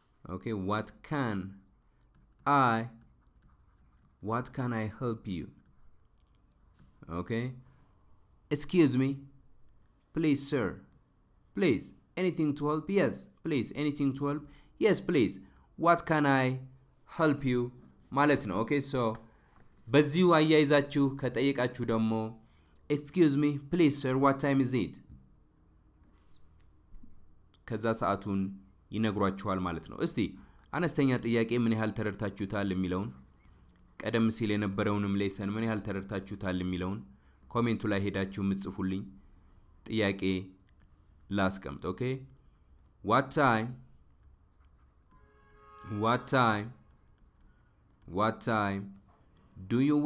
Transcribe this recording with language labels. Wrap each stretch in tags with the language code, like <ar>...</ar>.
<en>Okay, what can I help you? Okay. Excuse me. Please, sir. Please, anything to help? Yes, please, anything to help? Yes, please. What can I help you?</en> <am>ማለት ነው. Okay, so በዚሁ አያይዛችሁ ከጠየቃችሁ ደግሞ</am> <en>Excuse me, please sir, what time is it?</en> <am>ከዛ ሰዓቱን ይነግሯችኋል ማለት ነው። እስቲ አነስተኛ ጥያቄ ምን ያህል ተረድታችሁታል የሚለውን ቀደም ሲል የነበረውንም ሌሰን ምን ያህል ተረድታችሁታል የሚለውን ኮሜንቱ ላይ ሄዳችሁ ምጽፉልኝ ጥያቄ ላስቀምጥ ኦኬ what time do</am>